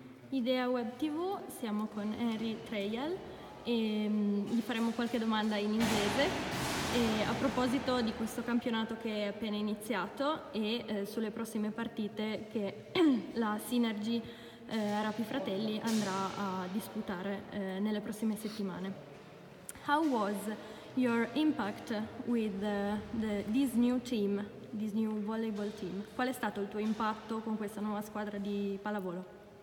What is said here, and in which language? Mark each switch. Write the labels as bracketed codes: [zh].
[it] Idea Web TV, siamo con Henry Treyal e gli faremo qualche domanda in inglese e a proposito di questo campionato che è appena iniziato e sulle prossime partite che la Synergy Rapi Fratelli andrà a disputare nelle prossime settimane. [en] How was your impact with this new team, this new volleyball team? [it] Qual è stato il tuo impatto con questa nuova squadra di pallavolo?